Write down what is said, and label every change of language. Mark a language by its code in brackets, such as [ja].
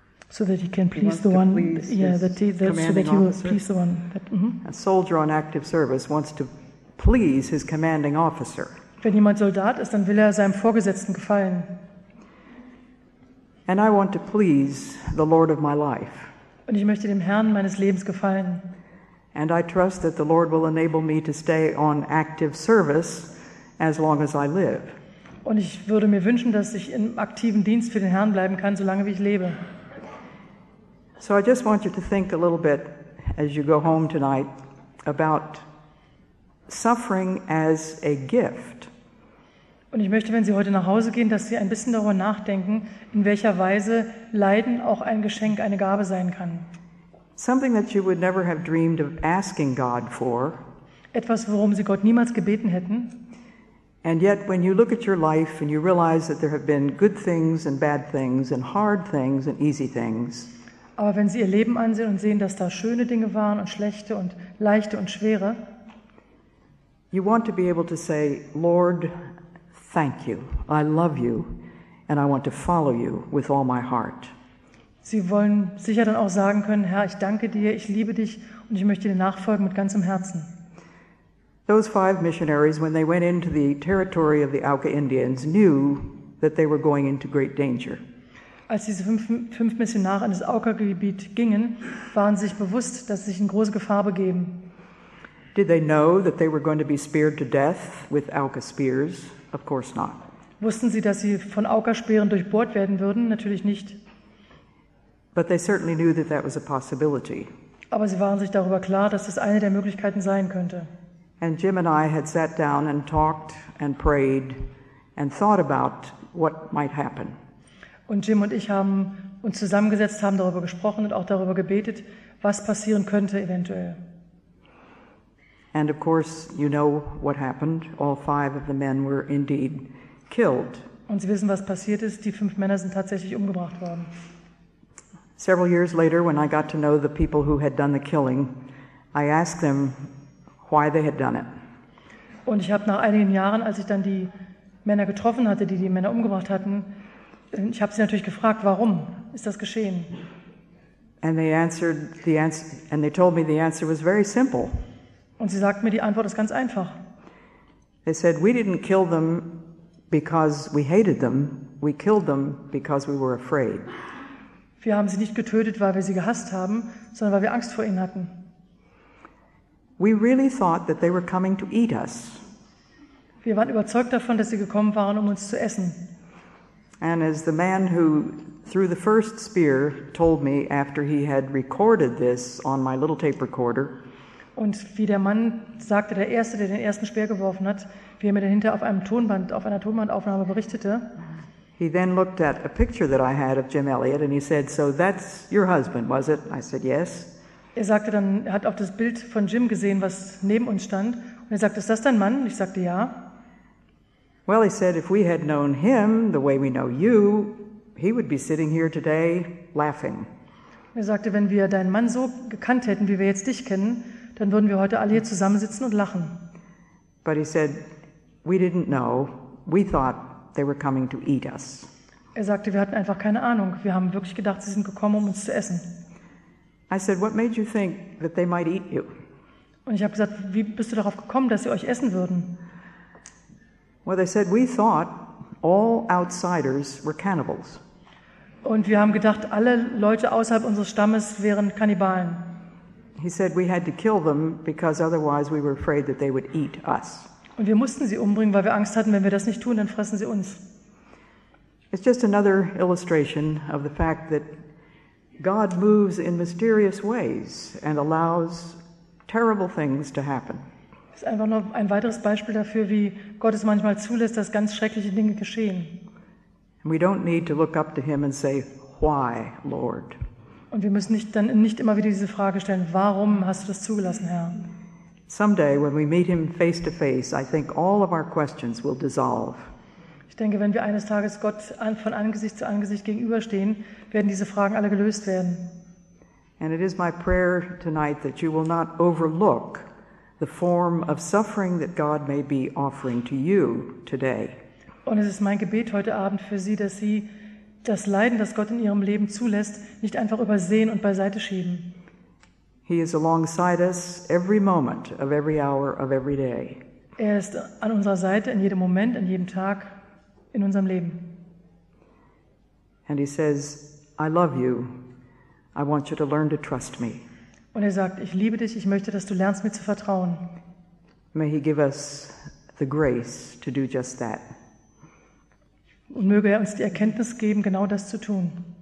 [en] So that he can please the one, Please the one. A soldier on active service wants to please his commanding officer. [de] Wenn jemand Soldat ist, dann will er seinem Vorgesetzten gefallen. [en] And I want to please the Lord of my life. [de] Und ich möchte dem Herrn meines Lebens gefallen. [en] And I trust that the Lord will enable me to stay on active service as long as I live. [de] Und ich würde mir wünschen, dass ich im aktiven Dienst für den Herrn bleiben kann, solange wie ich lebe. [en] So I just want you to think a little bit as you go home tonight about suffering as a gift. [de] Und ich möchte, wenn Sie heute nach Hause gehen, dass Sie ein bisschen darüber nachdenken, in welcher Weise Leiden auch ein Geschenk, eine Gabe sein kann. [en] Something that you would never have dreamed of asking God for. [de] Etwas, worum Sie Gott niemals gebeten hätten. [en] And yet when you look at your life and you realize that there have been good things and bad things and hard things and easy things. [de] Aber wenn Sie Ihr Leben ansehen und sehen, dass da schöne Dinge waren und schlechte und leichte und schwere. [en] You want to be able to say, Lord, thank you. I love you and I want to follow you with all my heart. [de] Sie wollen sicher dann auch sagen können, Herr, ich danke dir, ich liebe dich und ich möchte dir nachfolgen mit ganzem Herzen. [en] Those five missionaries, when they went into the territory of the Auca Indians, knew that they were going into great danger. [de] Als diese fünf Missionare in das Auca-Gebiet gingen, waren sie sich bewusst, dass sie sich in große Gefahr begeben. [en] Did they know that they were going to be speared to death with Auca spears? Of course not. [de] Wussten sie, dass sie von Auca-Speeren durchbohrt werden würden? Natürlich nicht. [en] But they certainly knew that that was a possibility. [de] Aber sie waren sich darüber klar, dass das eine der Möglichkeiten sein könnte. [en] And Jim and I had sat down and talked and prayed and thought about what might happen. [de] Und Jim und ich haben uns zusammengesetzt, haben darüber gesprochen und auch darüber gebetet, was passieren könnte eventuell. [en] And of course, you know what happened. All five of the men were indeed killed. [de] Und Sie wissen, was passiert ist. Die fünf Männer sind tatsächlich umgebracht worden. [en] Several years later, when I got to know the people who had done the killing, I asked them why they had done it. [de] Und ich habe nach einigen Jahren, als ich dann die Männer getroffen hatte, die die Männer umgebracht hatten, ich habe sie natürlich gefragt, warum ist das geschehen? [en] And they told me the answer was very simple. [de] Und sie sagten mir, die Antwort ist ganz einfach. [en] They said, we didn't kill them because we hated them. We killed them because we were afraid. [de] Wir haben sie nicht getötet, weil wir sie gehasst haben, sondern weil wir Angst vor ihnen hatten. [en] We really thought that they were coming to eat us. [de] Wir waren überzeugt davon, dass sie gekommen waren, um uns zu essen. [en] And as the man who threw the first spear told me after he had recorded this on my little tape recorder. [de] Und wie der Mann sagte, der Erste, der den ersten Speer geworfen hat, wie er mir dahinter auf einem Tonband, auf einer Tonbandaufnahme berichtete. [en] He then looked at a picture that I had of Jim Elliot and he said, so that's your husband, was it? I said, yes. [de] Er sagte dann, er hat auf das Bild von Jim gesehen, was neben uns stand. Und er sagte, ist das dein Mann? Und ich sagte, ja. [en] Well, he said, if we had known him the way we know you, he would be sitting here today laughing. [de] Er sagte, wenn wir deinen Mann so gekannt hätten, wie wir jetzt dich kennen, dann würden wir heute alle hier zusammensitzen und lachen. [en] But he said, we didn't know. We thought they were coming to eat us. [de] Er sagte, wir hatten einfach keine Ahnung. Wir haben wirklich gedacht, sie sind gekommen, um uns zu essen. [en] I said, what made you think that they might eat you? [de] Und ich habe gesagt, wie bist du darauf gekommen, dass sie euch essen würden? [en] Well, they said, we thought all outsiders were cannibals. [de] Und wir haben gedacht, alle Leute außerhalb unseres Stammes wären Kannibalen. [en] He said we had to kill them because otherwise we were afraid that they would eat us. [de] Und wir mussten sie umbringen, weil wir Angst hatten, wenn wir das nicht tun, dann fressen sie uns. [en] It's just another illustration of the fact that God moves in mysterious ways and allows terrible things to happen. [de] Es ist einfach nur ein weiteres Beispiel dafür, wie Gott es manchmal zulässt, dass ganz schreckliche Dinge geschehen. [en] And we don't need to look up to him and say, "Why, Lord?" [de] Und wir müssen nicht dann nicht immer wieder diese Frage stellen, warum hast du das zugelassen, Herr? [en] Someday when we meet him face to face, I think all of our questions will dissolve. [de] Ich denke, wenn wir eines Tages Gott von Angesicht zu Angesicht gegenüberstehen, werden diese Fragen alle gelöst werden. [en] And it is my prayer tonight that you will not overlook the form of suffering that God may be offering to you today. [de] Und es ist mein Gebet heute Abend für Sie, dass Sie das Leiden, das Gott in ihrem Leben zulässt, nicht einfach übersehen und beiseite schieben. [en] He is alongside us every moment of every hour of every day. [de] Er ist an unserer Seite in jedem Moment, in jedem Tag in unserem Leben. [en] And he says, I love you. I want you to learn to trust me. [de] Und er sagt, ich liebe dich, ich möchte, dass du lernst, mir zu vertrauen. [en] May he give us the grace to do just that. [de] Und möge er uns die Erkenntnis geben, genau das zu tun.